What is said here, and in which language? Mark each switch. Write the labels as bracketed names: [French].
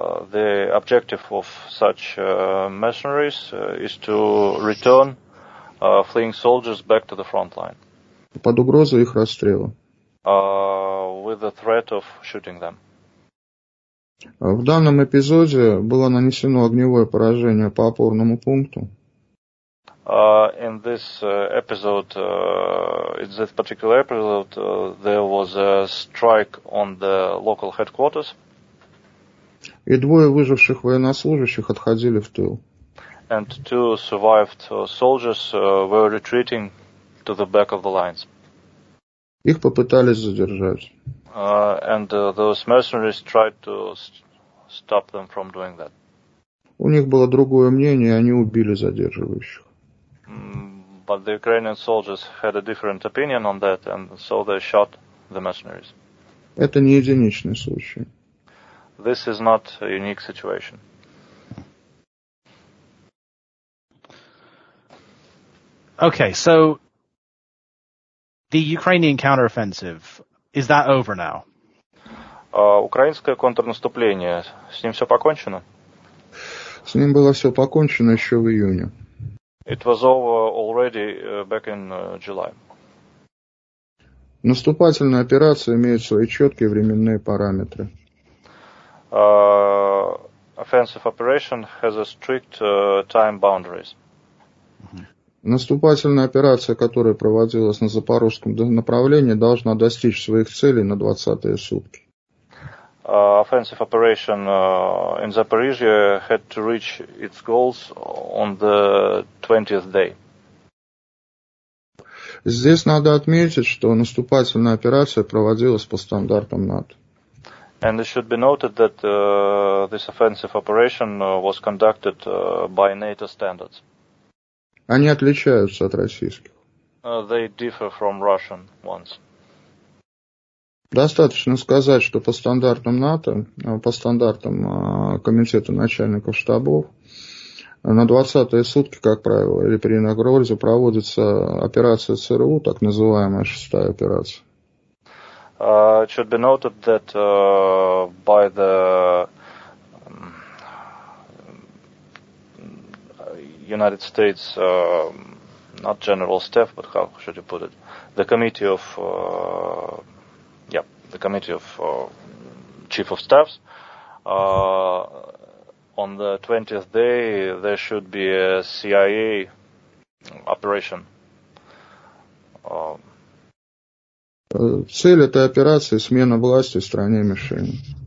[English] The objective of such mercenaries is to return fleeing soldiers back to the front line. [Russian] Под угрозой их расстрела. [English] With the threat of shooting them. [Russian] В данном эпизоде было нанесено огневое поражение по опорному пункту. [English] In this episode, in this particular episode, there was a strike on the local headquarters. [Russian] И двое выживших военнослужащих отходили в тыл. [English] And two survived soldiers were retreating to the back of the lines. [Russian] Их попытались задержать. [English] And those mercenaries tried to stop them from doing that. [Russian] У них было другое мнение, они убили задерживающих. [English] But the Ukrainian soldiers had a different opinion on that, and so they shot the mercenaries. [Russian] Это не единичный случай. [English] This is not a unique situation. Okay, so the Ukrainian counteroffensive, is that over now? [Russian] Украинское контрнаступление, с ним все покончено? С ним было все покончено еще в июне. [English] It was over already back in July. [Russian] Наступательная операция имеет свои четкие временные параметры. [English] Offensive operation has a strict time boundaries. [Russian] Наступательная операция, которая проводилась на запорожском направлении, должна достичь своих целей на 20-е сутки. [English] Offensive operation in Zaporizhia had to reach its goals on the 20th day. [Russian] Здесь надо отметить, что наступательная операция проводилась по стандартам НАТО. [English] And it should be noted that this offensive operation was conducted by NATO standards. [Russian] Они отличаются от российских. [English] They differ from Russian ones. [Russian] Достаточно сказать, что по стандартам НАТО, по стандартам комитета начальников штабов, на 20-е сутки, как правило, или при нагрозе, проводится операция ЦРУ, так называемая шестая операция. [English] It should be noted that by the United States, not general staff, but how should you put it, the committee of... the committee of chief of staffs on the 20th day there should be a CIA operation. [Russian] Цель этой операции — смена власти в стране мишени.